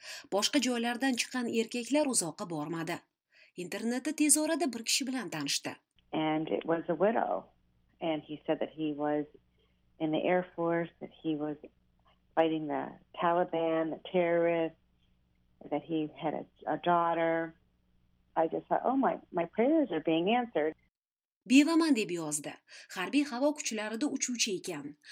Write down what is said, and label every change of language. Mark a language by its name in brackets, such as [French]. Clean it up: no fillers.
[Uzbek] Boshqa joylardan chiqqan erkaklar uzoqqa bormadi. Internetda tez orada bir kishi bilan tanishdi. [English] And it was a widow. And he said that he was in the Air Force, that he was fighting the Taliban, the terrorists, that he had a daughter. I just thought, oh my prayers are being answered. [Uzbek] Bevaman deb yozdi. Harbiy havo kuchlarida uchuvchi ekan.